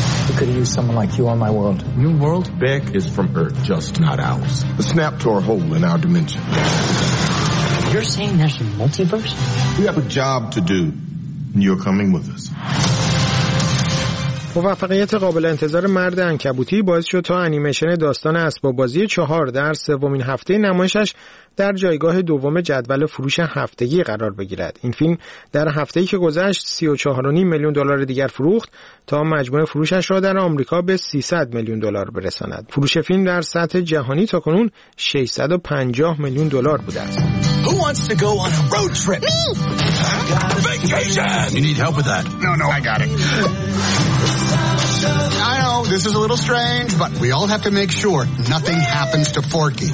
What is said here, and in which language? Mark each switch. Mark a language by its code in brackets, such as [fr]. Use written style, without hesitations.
[en] We could use someone like you on my world. New world? Beck is from Earth, just not ours. A snap to our hole in our dimension. You're saying there's a multiverse? We have a job to do, and you're coming with us. [fa] موفقیت قابل انتظار مرد عنکبوتی باعث شد تا انیمیشن داستان اسباب بازی 4 در سومین هفته نمایشش در جایگاه دوم جدول فروش هفتگی قرار بگیرد. این فیلم در هفته‌ای که گذشت 34.5 میلیون دلار دیگر فروخت تا مجموع فروشش را در آمریکا به 300 میلیون دلار برساند. فروش فیلم در سطح جهانی تاکنون 650 میلیون دلار بوده است. [en] Who wants to go on a road trip? Me. Vacation. You need help with that? No, I got it. I know this is a little strange, but we all have to make sure nothing happens to Forky.